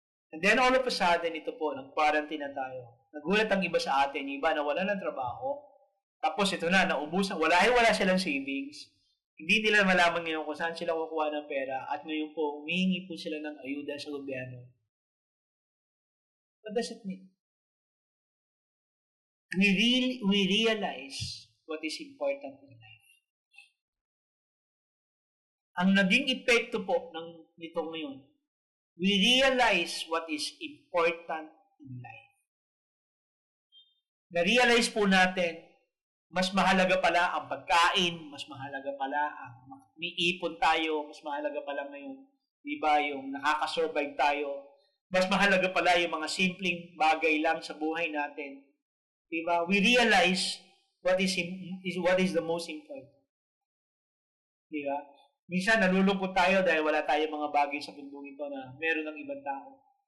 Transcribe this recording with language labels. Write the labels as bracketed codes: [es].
[en] And then all of a sudden, [tl] ito po, nag-quarantine na tayo. Nagulat ang iba sa atin, yung iba na wala ng trabaho. Tapos ito na, naubusan. Wala silang savings. Hindi nila malaman ngayon kung saan sila kukuha ng pera. At ngayon po, humihingi po sila ng ayuda sa gobyerno. [en] What does it mean? We realize what is important in life. [tl] Ang naging epekto po ng nito ngayon, [en] we realize what is important in life. [tl] Na-realize po natin, mas mahalaga pala ang pagkain, mas mahalaga pala ang umiipon tayo, mas mahalaga pala ngayon, di ba, yung nakaka-survive tayo, mas mahalaga pala yung mga simpleng bagay lang sa buhay natin. Di ba, [en] we realize what is the most important. [tl] Di ba? Minsan, nalulungkot tayo dahil wala tayong mga bagay sa mundo ito na meron ng ibang tao.